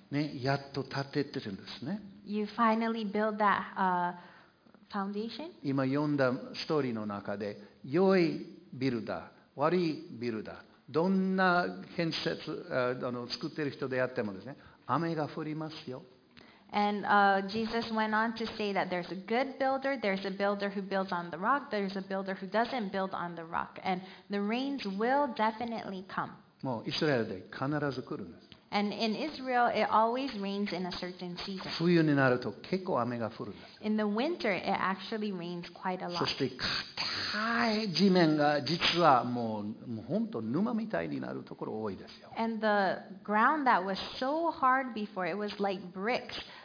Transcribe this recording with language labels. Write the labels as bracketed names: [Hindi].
[Japanese] ね、やっと建ててるんですね。 [English] You finally build that foundation? [Japanese] 今読んだストーリーの中で、良いビルダー、悪いビルダー、どんな建設、作ってる人であってもですね、雨が降りますよ。 [English] And Jesus went on to say that there's a good builder, there's a builder who builds on the rock, there's a builder who doesn't build on the rock, and the rains will definitely come. [Japanese] もうイスラエルで必ず来るんです。 [English] And in Israel, it always rains in a certain season. [Japanese] 冬になると結構雨が降るんです。 [English] In the winter, it actually rains quite a lot. [Japanese] そして硬い地面が実はもう本当沼みたいになるところ多いですよ。 [English] And the ground that was so hard before, it was like bricks.